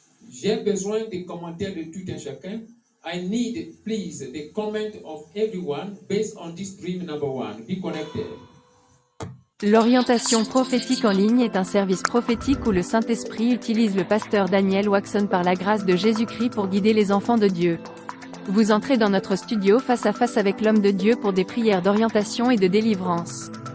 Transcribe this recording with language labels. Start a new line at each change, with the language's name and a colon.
French: J'ai besoin des commentaires de tout un chacun.
English: I need, please, the comment of everyone based on this dream number one. Be connected.
French: L'orientation prophétique en ligne est un service prophétique où le Saint-Esprit utilise le pasteur Daniel Waxon par la grâce de Jésus-Christ pour guider les enfants de Dieu. Vous entrez dans notre studio face à face avec l'homme de Dieu pour des prières d'orientation et de délivrance.